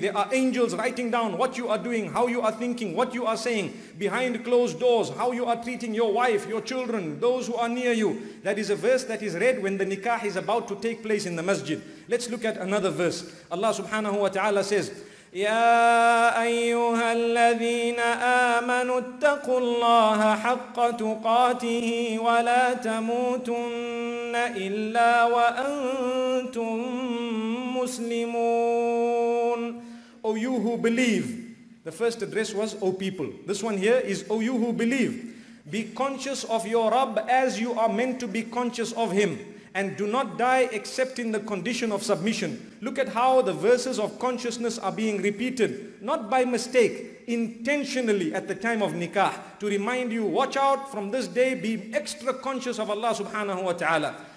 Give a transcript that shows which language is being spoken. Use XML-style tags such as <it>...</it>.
<en>There are angels writing down what you are doing, how you are thinking, what you are saying behind closed doors, how you are treating your wife, your children, those who are near you. That is a verse that is read when the nikah is about to take place in the masjid. Let's look at another verse. Allah subhanahu wa ta'ala says,</en> <ar>يا أيها الذين آمنوا اتقوا الله حق تقاته ولا تموتن إلا وأنتم مسلمون.</ar> <en>O you who believe, the first address was O people. This one here is O you who believe, be conscious of your Rabb as you are meant to be conscious of him. And do not die except in the condition of submission. Look at how the verses of consciousness are being repeated, not by mistake, intentionally at the time of nikah, to remind you, watch out, from this day be extra conscious of Allah subhanahu wa ta'ala.</en>